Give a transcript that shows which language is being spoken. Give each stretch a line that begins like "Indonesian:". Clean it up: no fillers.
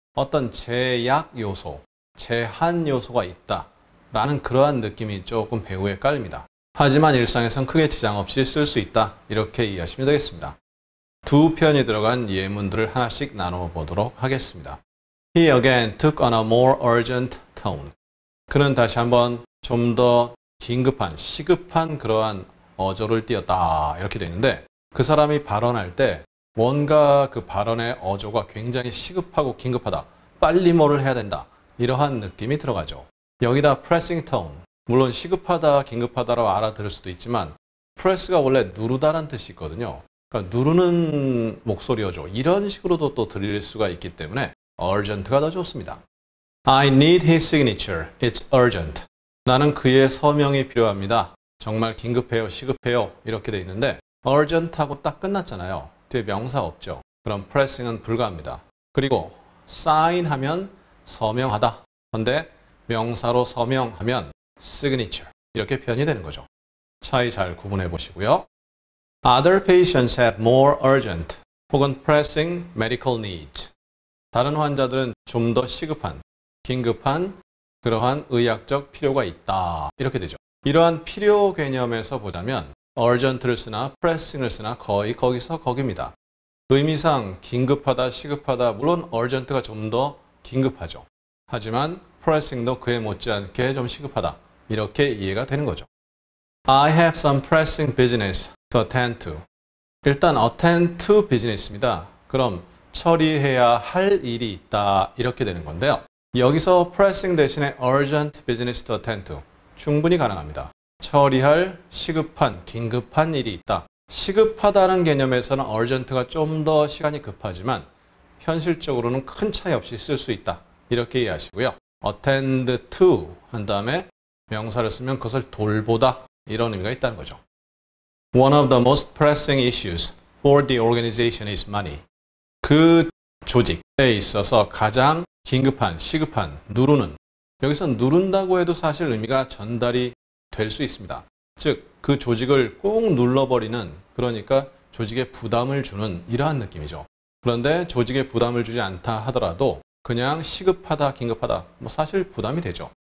Korean: 어떤 제약 요소, 제한 요소가 있다라는 그러한 느낌이 조금 배우에 깔립니다. 하지만 일상에선 크게 지장 없이 쓸 수 있다. 이렇게 이해하시면 되겠습니다. 두 표현이 들어간 예문들을 하나씩 나눠 보도록 하겠습니다.
English: He again took on a more urgent tone.
Korean: 그는 다시 한번 좀 더 긴급한, 시급한 그러한 어조를 띄었다. 이렇게 되어 있는데 그 사람이 발언할 때 뭔가 그 발언의 어조가 굉장히 시급하고 긴급하다. 빨리 뭐를 해야 된다. 이러한 느낌이 들어가죠. 여기다 pressing tone. 물론 시급하다, 긴급하다라고 알아들을 수도 있지만 press가 원래 누르다라는 뜻이 있거든요. 그러니까 누르는 목소리어죠. 이런 식으로도 또 들릴 수가 있기 때문에 urgent가 더 좋습니다.
English: I need his signature. It's urgent.
Korean: 나는 그의 서명이 필요합니다. 정말 긴급해요, 시급해요. 이렇게 돼 있는데 urgent하고 딱 끝났잖아요. 뒤에 명사 없죠. 그럼 pressing은 불가합니다. 그리고 sign하면 서명하다. 그런데 명사로 서명하면 signature 이렇게 표현이 되는 거죠. 차이 잘 구분해 보시고요.
English: Other patients have more urgent
Korean: 혹은
English: pressing medical needs.
Korean: 다른 환자들은 좀 더 시급한, 긴급한 그러한 의학적 필요가 있다. 이렇게 되죠. 이러한 필요 개념에서 보자면 urgent를 쓰나 pressing을 쓰나 거의 거기서 거기입니다. 의미상 긴급하다, 시급하다, 물론 urgent가 좀 더 긴급하죠. 하지만 pressing도 그에 못지않게 좀 시급하다. 이렇게 이해가 되는 거죠.
English: I have some pressing business to attend to.
Korean: 일단
English: attend to business입니다.
Korean: 그럼 처리해야 할 일이 있다. 이렇게 되는 건데요. 여기서 pressing 대신에
English: urgent business to attend to.
Korean: 충분히 가능합니다. 처리할 시급한, 긴급한 일이 있다. 시급하다는 개념에서는 urgent가 좀 더 시간이 급하지만 현실적으로는 큰 차이 없이 쓸 수 있다. 이렇게 이해하시고요. attend to 한 다음에 명사를 쓰면 그것을 돌보다. 이런 의미가 있다는 거죠.
English: One of the most pressing issues for the organization is money.
Korean: 그 조직에 있어서 가장 긴급한, 시급한, 누르는 여기서 누른다고 해도 사실 의미가 전달이 될 수 있습니다. 즉, 그 조직을 꾹 눌러버리는 그러니까 조직에 부담을 주는 이러한 느낌이죠. 그런데 조직에 부담을 주지 않다 하더라도 그냥 시급하다, 긴급하다 뭐 사실 부담이 되죠.